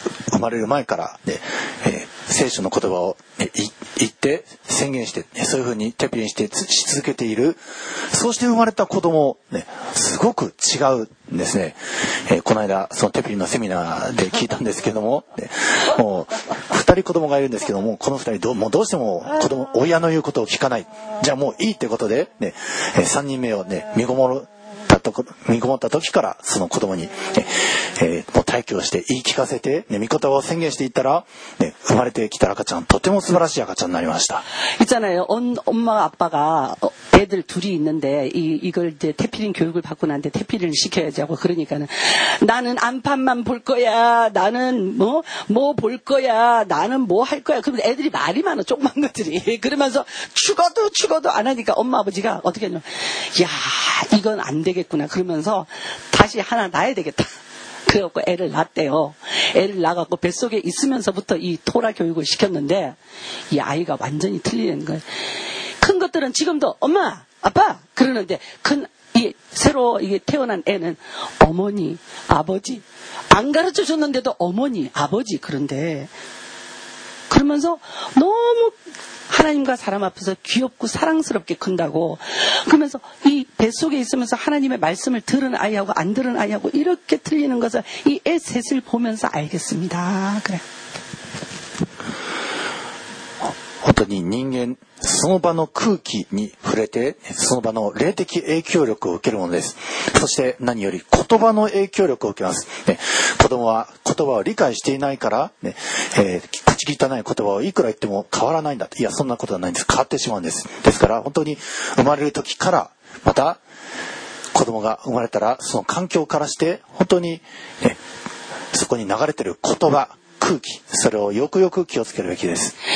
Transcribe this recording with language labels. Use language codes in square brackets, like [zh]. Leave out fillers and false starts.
[ja] 生まれる前から、ね、聖書の言葉を、ね、言って宣言して、ね、そういうふうに手びれにしてし続けているそうして生まれた子供、ね、すごく違うんですね、この間その手びれのセミナーで聞いたんですけども、ね、もう二人子供がいるんですけどもこの二人もうどうしても子供親の言うことを聞かないじゃあもういいってことで、ね、3人目を、ね、見ごもった時からその子供に、ね、もう退去して言い聞かせて、ね、見言葉を宣言していったら、ね、生まれてきた赤ちゃんとても素晴らしい赤ちゃんになりました [ko] 있잖아요 엄마와 아빠가 애들 둘이 있는데 이걸 태피린 교육을 받고 난데 태피린 시켜야지 하고 그러니까는 나는 안판만 볼 거야 나는 뭐 볼 거야 나는 뭐 할 거야 그러면 애들이 말이 많아 조그만 것들이 그러면서 죽어도 죽어도 안 하니까 엄마 아버지가 어떻게 했냐면 야 이건 안 되겠구나 그러면서 다시 하나 낳아야 되겠다그래갖고애를낳았대요애를낳았고뱃속에있으면서부터이토라교육을시켰는데이아이가완전히틀리는거예요큰것들은지금도엄마아빠그러는데큰이새로이게태어난애는어머니아버지안가르쳐줬는데도어머니아버지그런데그러면서너무하나님과사람앞에서귀엽고사랑스럽게큰다고그러면서이뱃속에있으면서하나님의말씀을들은아이하고안들은아이하고이렇게틀리는것을이애셋을보면서알겠습니다그래 [ja] 本当に人間その場の空気に触れてその場の霊的影響力を受けるものですそして何より言葉の影響力を受けます、ね、子供は言葉を理解していないから、ね口汚い言葉をいくら言っても変わらないんだいやそんなことはないんです変わってしまうんですですから本当に生まれる時からまた子供が生まれたらその環境からして本当に、ね、そこに流れている言葉空気それをよくよく気をつけるべきです